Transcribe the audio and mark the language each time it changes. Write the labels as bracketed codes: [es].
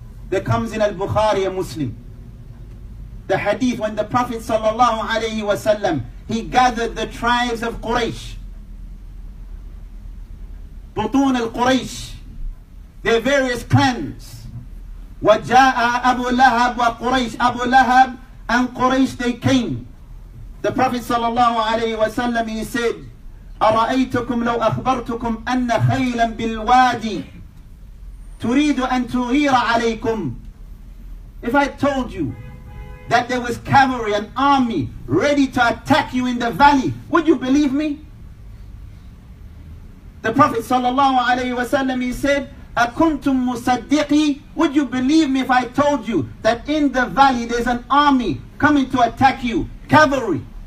[en] That comes in Al-Bukhari and Muslim. The hadith when the Prophet sallallahu alayhi wa sallam, he gathered the tribes of Quraysh, Butun al-Quraysh, their various clans. [ar] وَجَاءَ أَبُو لَهَبْ وَقُرَيْشِ, [en] Abu Lahab and Quraysh, they came. The Prophet sallallahu alayhi wa sallam, he said, [ar] أَرَأَيْتُكُمْ لَوْ أَخْبَرْتُكُمْ أَنَّ خَيْلًا بِالْوَادِي تُرِيدُ أَن تُغِيرَ عَلَيْكُمْ. [en] If I told you that there was cavalry, an army, ready to attack you in the valley, would you believe me? The Prophet sallallahu alayhi wa sallam, he said, [ar] أَكُنْتُمْ مُصَدِّقِي, [en] would you believe me if I told you that in the valley there's an army coming to attack you, cavalry?